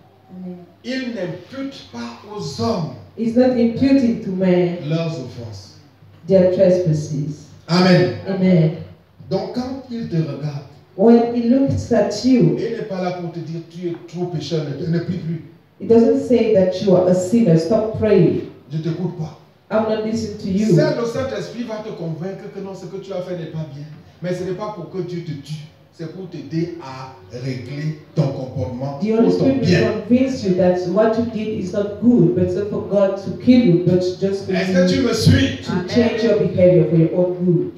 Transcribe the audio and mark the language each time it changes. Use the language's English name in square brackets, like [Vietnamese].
[French] Amen. Il n'impute pas aux hommes. [English] Is not imputing to men [French] leurs offenses. [English] Their trespasses. Amen. Amen. [French] Donc quand il te regarde, [English] when he looks at you, [French] il n'est pas là pour te dire tu es trop pécheur, ne prie plus. [English] He doesn't say that you are a sinner, stop praying. [French] Je t'écoute pas. [English] I'm not listening to you. [French] Seul le Saint-Esprit va te convaincre que non, ce que tu as fait n'est pas bien. Mais ce n'est pas pour que Dieu te tue. C'est pour t'aider à régler ton comportement pour ton bien. [English] The Holy Spirit will convince you that what you did is not good, but it's not for God to kill you, but just for [French] est-ce que tu me suis? [English] To change your behavior for your own good.